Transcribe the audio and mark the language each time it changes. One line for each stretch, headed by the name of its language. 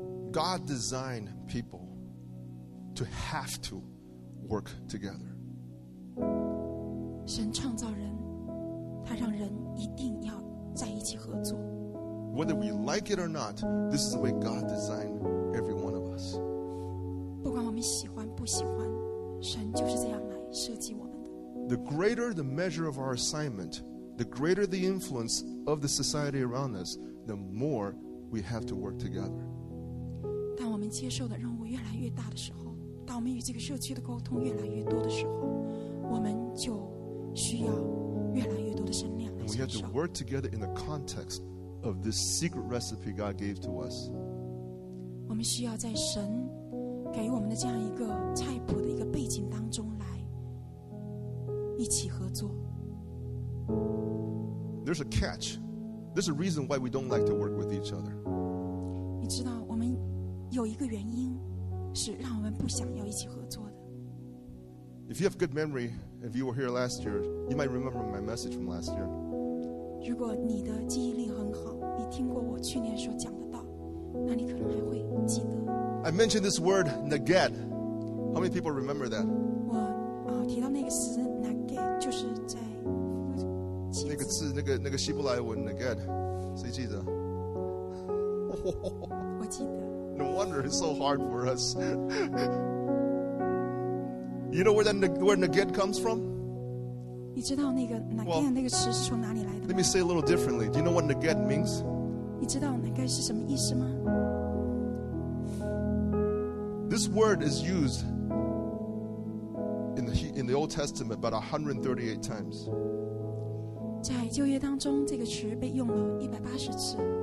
English: God designed people to have to work together.
Chinese: 神创造人，他让人一定要在一起合作。
English: Whether we like it or not, this is the way God designed every one of us.
Chinese: 不管我们喜欢不喜欢，神就是这样来设计我们的。
English: The greater the measure of our assignment, the greater the influence of the society around us, the more we have to work together.
Chinese: 当我们接受的任务越来越大的时候，当我们与这个社区的沟通越来越多的时候，我们就需要越来越多的神量来接受。
English: We have to work together in the context. Of this secret recipe God gave to us.
Chinese: 我们需要在神给我们的这样一个菜谱的一个背景当中来一起合作。
English: There's a catch. There's a reason why we don't like to work with each other.
Chinese: 你知道，我们有一个原因是让我们不想要一起合作的。
English: If you have good memory, if you were here last year, you might remember my message from last year.
Chinese: 如果你的记忆力很好，你听过我去年所讲的道，那你可能还会记得。
English: I mentioned this word neged. How many people remember that?
Chinese: 我提到那个词 neged， 就是在那个字那个希伯来文 neged， 谁记得？我记得。
English: No wonder it's so hard for us. You know where that word neged comes from?
Chinese: 你知道那个 neged 那个词是从哪里来的吗
English: ？Let me say a little differently. Do you know what neged means?
Chinese: 你知道 neged 是什么意思吗
English: ？This word is used in the Old Testament about 138 times.
Chinese: 在旧约当中，这个词被用了180次。